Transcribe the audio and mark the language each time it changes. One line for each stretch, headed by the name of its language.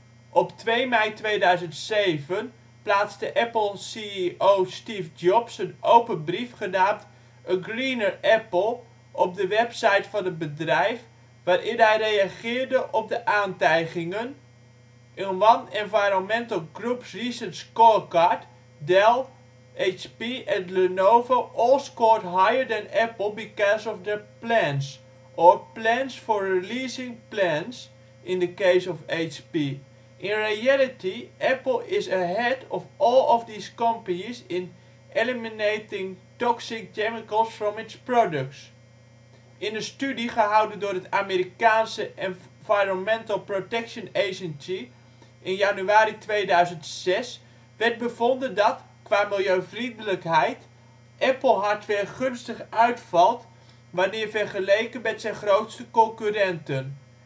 Dutch: Op 2 mei 2007 plaatste Apple CEO Steve Jobs een open brief genaamd A Greener Apple op de website van het bedrijf, waarin hij reageerde op de aantijgingen.
English: In One Environmental Group's Recent Scorecard, Dell, HP en Lenovo all scored higher than Apple because of their plans, or plans for releasing plans in the case of HP. In reality, Apple is ahead of all of these companies in eliminating toxic chemicals from its products.
Dutch: In een studie gehouden door het Amerikaanse Environmental Protection Agency in januari 2006 werd bevonden dat, qua milieuvriendelijkheid, Apple hardware gunstig uitvalt wanneer vergeleken met zijn grootste concurrenten.